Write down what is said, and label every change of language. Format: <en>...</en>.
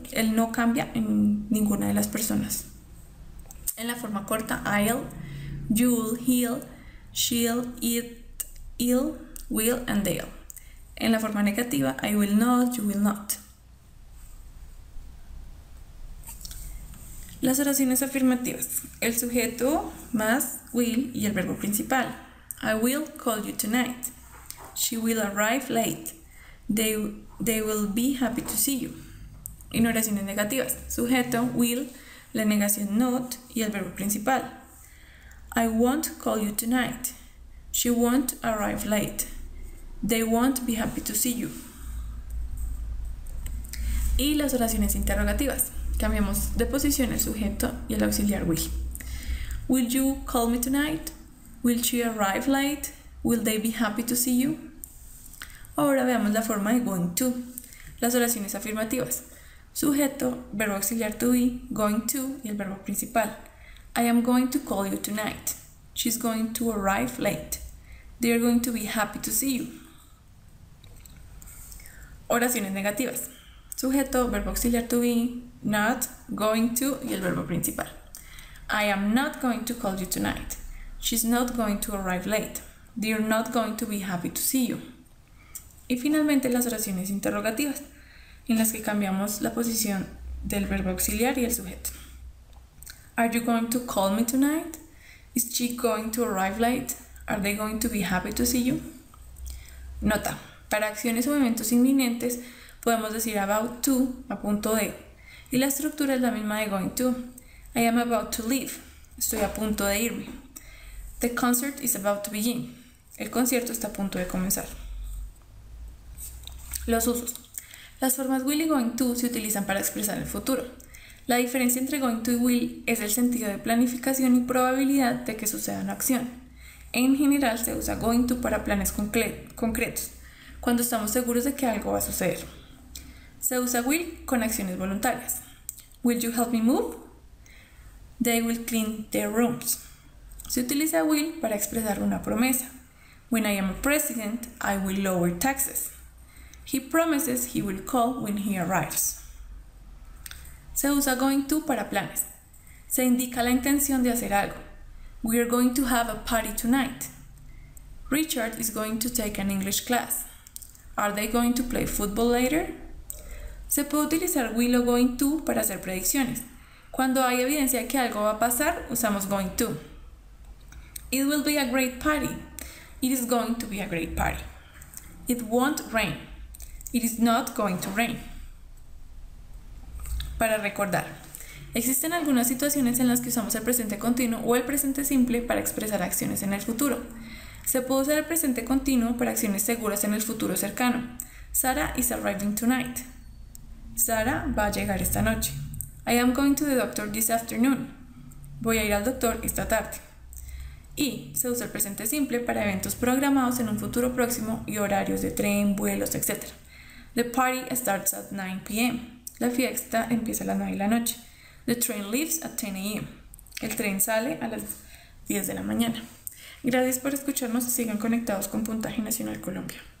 <es>Él no cambia en ninguna de las personas. En la forma corta</es> <en>I'll, you'll, he'll, she'll, it, he'll, will and they'll.</en> <es>En la forma negativa</es> <en>I will not, you will not.</en> <es>Las oraciones afirmativas. El sujeto más will y el verbo principal.</es> <en>I will call you tonight. She will arrive late. They will be happy to see you.</en> <es>En oraciones negativas, sujeto, will, la negación, not, y el verbo principal.</es> <en>I won't call you tonight. She won't arrive late. They won't be happy to see you.</en> <es>Y las oraciones interrogativas. Cambiamos de posición el sujeto y el auxiliar will.</es> <en>Will you call me tonight? Will she arrive late? Will they be happy to see you?</en> <es>Ahora veamos la forma de going to. Las oraciones afirmativas. Sujeto, verbo auxiliar to be, going to y el verbo principal.</es> <en>I am going to call you tonight. She's going to arrive late. They are going to be happy to see you.</en> <es>Oraciones negativas. Sujeto, verbo auxiliar to be, not, going to y el verbo principal.</es> <en>I am not going to call you tonight. She's not going to arrive late. They are not going to be happy to see you.</en> <es>Y finalmente las oraciones interrogativas, en las que cambiamos la posición del verbo auxiliar y el sujeto.</es> <en>Are you going to call me tonight? Is she going to arrive late? Are they going to be happy to see you?</en> <es>Nota, para acciones o eventos inminentes podemos decir about to, a punto de. Y la estructura es la misma de going to.</es> <en>I am about to leave.</en> <es>Estoy a punto de irme.</es> <en>The concert is about to begin.</en> <es>El concierto está a punto de comenzar. Los usos. Las formas will y going to se utilizan para expresar el futuro. La diferencia entre going to y will es el sentido de planificación y probabilidad de que suceda una acción. En general se usa going to para planes concretos, cuando estamos seguros de que algo va a suceder. Se usa will con acciones voluntarias.</es> <en>Will you help me move? They will clean their rooms.</en> <es>Se utiliza will para expresar una promesa.</es> <en>When I am a president, I will lower taxes. He promises he will call when he arrives.</en> <es>Se usa going to para planes. Se indica la intención de hacer algo.</es> <en>We are going to have a party tonight. Richard is going to take an English class. Are they going to play football later?</en> <es>Se puede utilizar will o going to para hacer predicciones. Cuando hay evidencia que algo va a pasar, usamos going to.</es> <en>It will be a great party. It is going to be a great party. It won't rain. It is not going to rain.</en> <es>Para recordar, existen algunas situaciones en las que usamos el presente continuo o el presente simple para expresar acciones en el futuro. Se puede usar el presente continuo para acciones seguras en el futuro cercano.</es> <en>Sarah is arriving tonight.</en> <es>Sarah va a llegar esta noche.</es> <en>I am going to the doctor this afternoon.</en> <es>Voy a ir al doctor esta tarde. Y se usa el presente simple para eventos programados en un futuro próximo y horarios de tren, vuelos, etc.</es> <en>The party starts at 9 p.m.</en> <es>La fiesta empieza a las 9 de la noche.</es> <en>The train leaves at 10 a.m.</en> <es>El tren sale a las 10 de la mañana. Gracias por escucharnos y sigan conectados con Puntaje Nacional Colombia.</es>